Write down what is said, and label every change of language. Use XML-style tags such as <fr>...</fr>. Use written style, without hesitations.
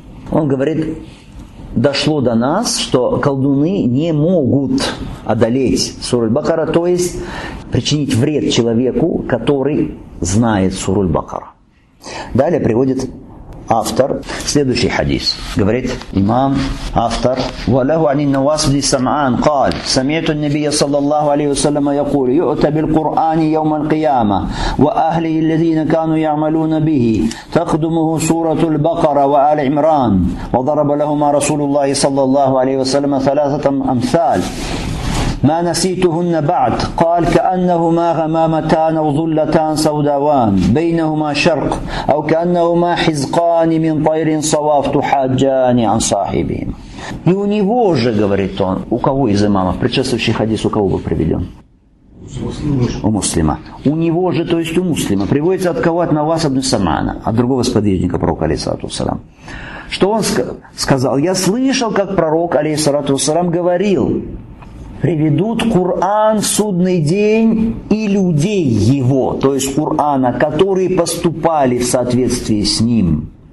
<ru>Он говорит, дошло до нас, что колдуны не могут одолеть суру аль-Бакара, то есть причинить вред человеку, который знает суру аль-Бакара. Далее приводит автор, следующий хадис. Говорит имам, автор:</ru> <ar>وَلَهُ عَنِ النَّوَاسِدِ سَمْعَانِ قَالْ سَمِعْتُ النَّبِيَ صَلَّى اللَّهُ عَلَيْهِ وَسَلَّمَ يَقُولُ يُؤْتَ بِالْقُرْآنِ يَوْمَ الْقِيَامَةِ وَأَهْلِهِ الَّذِينَ كَانُوا يَعْمَلُونَ بِهِ تَخْدُمُهُ سُورَةُ الْبَقَرَةِ وَآلِ عِمْرَانِ وَضَرَبَ لَهُمَا رَسُولُ اللَّهِ صَلَّى اللَّهُ عَلَيْهِ وَسَلَّمَ ثَلَاثَةً أَمْثَالٍ ما نسيتهن بعد قال كأنهما غمامتان أو ظلتان سوداوان بينهما شرق أو كأنهما حزقان من طير صواف تحاجان عن صاحبهم.</ar> <ru>И у него же, говорит он, у кого из имамов, предшествующий хадис, у кого был приведен? У муслима. У него же, то есть у муслима, приводится от кого? От Наваса ибн Самана, от другого сподвижника пророка, алейхиссалату вассалям. Что он сказал? Я слышал, как пророк, алейхиссалату вассалям, говорил: приведут Коран в судный день и людей его, то есть Корана, которые поступали в соответствии с ним.</ru>